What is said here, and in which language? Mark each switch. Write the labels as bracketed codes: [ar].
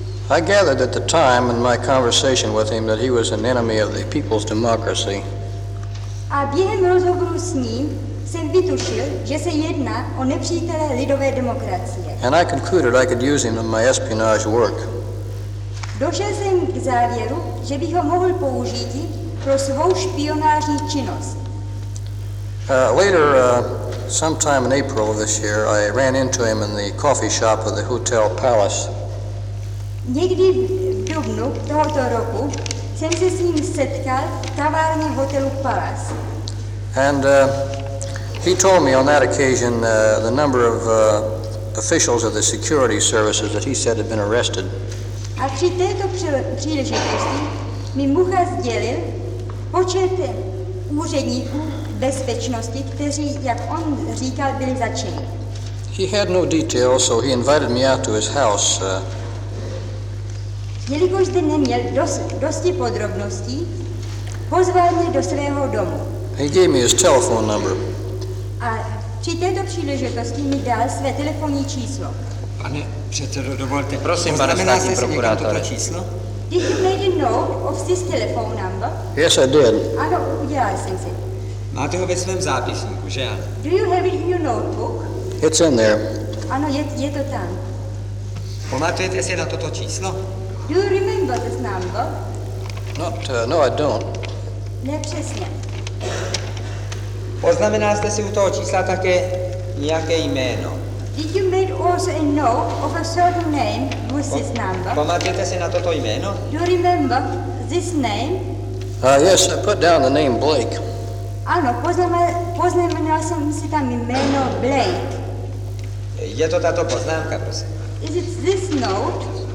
[en] I gathered at the time in my conversation with him that he was an enemy of the People's Democracy. [cs] A během rozhovoru s ním jsem vytušil, že se jedná o nepřítele lidové demokracie. [en] And I concluded I could use him in my espionage work. [cs] Došel jsem k závěru, že bych ho mohl použít pro svou špionážní činnost. [en] Later, sometime in April of this year, I ran into him in the coffee shop of the Hotel Palace. [cs] Někdy v dubnu tohoto roku jsem se s ním setkal v kavárně hotelu Palace. [en] And he told me on that occasion the number of officials of the security services that he said had been arrested. [cs] A při této příležitosti mi Mucha sdělil počet úředníků bezpečnosti, kteří, jak on říkal, byli začeni. [en] He had no details, so he invited me out to his house. [cs] Jelikož zde neměl dosti podrobností, pozval mě do svého domu. [en] He gave me his telephone number. [cs] A při této příležitosti mi dal své telefonní číslo. Pane předsedo, dovolte, prosím, pane státní prokurátore. Číslo? [en] Did you make a note of this telephone number? Yes, I did. [cs] Ano, udělal jsem si. Máte ho ve svém zápisníku, že ano? [en] Do you have it in your notebook? It's in there. [cs] Ano, je to tam. Pamatujete si na toto číslo? [en] Do you remember this number? No, I don't. [cs] Nepřesně. Poznamenal jste si u toho čísla také nějaké jméno? [en] Did you make also a note of a certain name with this number? [cs] Pamatujete si na toto jméno? [en] Do you remember this name? Yes, I put down the name Blake. [cs] Ano, poznamenal jsem si tam jméno Blake. Je to tato poznámka, prosím. [en] Is it this note?